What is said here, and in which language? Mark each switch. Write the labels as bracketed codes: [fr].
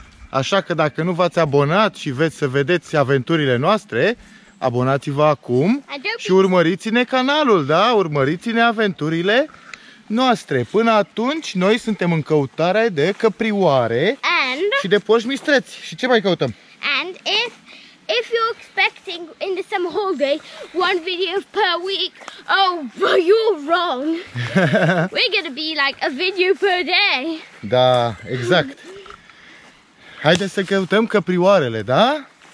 [ro] Așa că dacă nu v-ați abonat și veți să vedeți aventurile noastre, abonați-vă acum și urmăriți-ne canalul, da? Urmăriți-ne aventurile noastre. Până atunci, noi suntem în căutare de căprioare [en] and [ro] și de porci mistreți. Și ce mai căutăm? [en] And if you're expecting in the summer holiday one video per week, oh, you're wrong. We're gonna be like a video per day. [ro] Da, exact. Haideți să căutăm căprioarele, da?